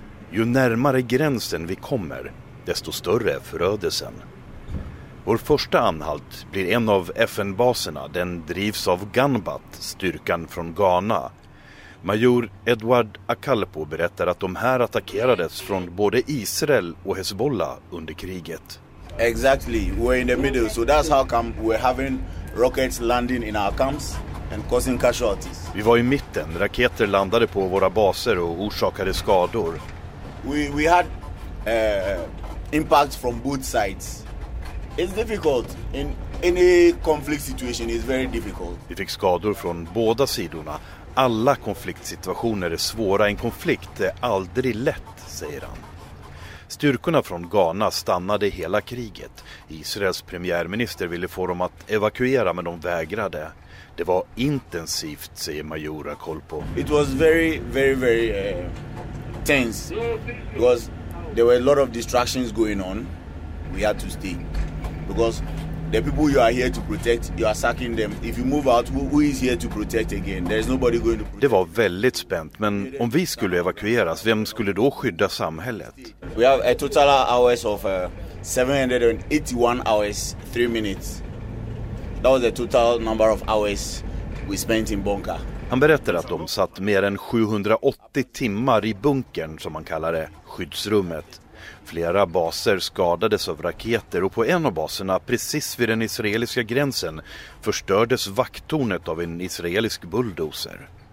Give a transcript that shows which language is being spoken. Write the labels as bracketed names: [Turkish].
[Swedish] Ju närmare gränsen vi kommer, desto större är förödelsen. Vår första anhalt blir en av FN-baserna. Den drivs av Ganbat, styrkan från Ghana. Major Edward Akalpo berättar att de här attackerades från både Israel och Hezbollah under kriget. [English] Exactly, we're in the middle, so that's how come we're having rockets landing in our camps and causing casualties. [Swedish] Vi var i mitten, raketer landade på våra baser och orsakade skador. [English] We had impacts from both sides. It's difficult in any conflict situation. It's very difficult. [Swedish] Vi fick skador från båda sidorna. Alla konfliktsituationer är svåra. En konflikt är aldrig lätt, säger han. Styrkorna från Ghana stannade hela kriget. Israels premiärminister ville få dem att evakuera, men de vägrade. Det var intensivt, säger major Akolpo. [English] It was very, very, very tense. Because there were a lot of distractions going on. We had to stay. Because the people you are here to protect, you are sacking them. If you move out, who is here to protect again? There is nobody going to protect. [Swedish] Det var väldigt spänt, men om vi skulle evakueras, vem skulle då skydda samhället? [English] We have a total hours of 781 hours, 3 minutes. That was the total number of hours we spent in bunker. [Swedish] Han berättar att de satt mer än 780 timmar i bunkern, som man kallar det, skyddsrummet. Flera baser skadades av raketer och på en av baserna, precis vid den israeliska gränsen, förstördes vakttornet av en israelisk bulldozer.